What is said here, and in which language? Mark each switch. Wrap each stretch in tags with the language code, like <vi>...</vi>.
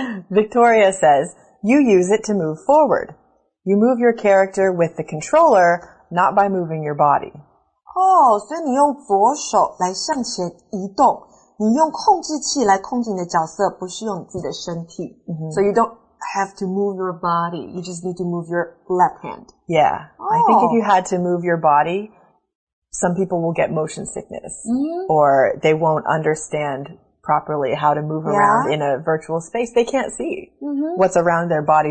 <en>Victoria says, you use it to move forward. You move your character with the controller, not by moving your body.</en> <zh>哦，所以你用左手来向前移动，你用控制器来控制你的角色，不是用你自己的身体。</zh> <en>So you don't have to move your body. You just need to move your left hand. Yeah,I think if you had to move your body... Some people will get motion sickness, or they won't understand properly how to move around in a virtual space. They can't see what's around their body.</en>